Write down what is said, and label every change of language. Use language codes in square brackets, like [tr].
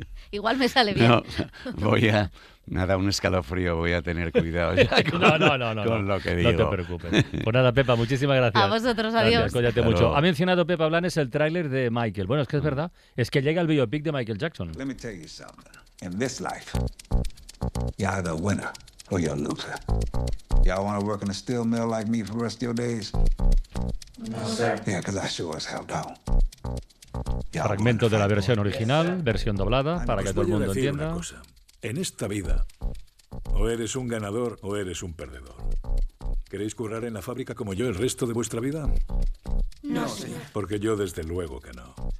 [es] Igual me sale bien. No, voy a... Nada, un escalofrío, voy a tener cuidado ya con lo que digo. No te preocupes. Pues nada, Pepa, muchísimas gracias. A vosotros, adiós. Gracias, cuídate mucho. Ha mencionado Pepa Blanes el tráiler de Michael. Bueno, es que es verdad, es que llega el biopic de Michael Jackson. [en] Let me tell you something. In this life, you're either a winner or you're a loser. Y'all want to work in a steel mill like me for the rest of your days? No, sir. Yeah, because I sure as hell don't. [es] Fragmento de la versión original, versión doblada, para que todo el mundo entienda. En esta vida, o eres un ganador o eres un perdedor. ¿Queréis currar en la fábrica como yo el resto de vuestra vida? No, señor. Porque yo desde luego que no.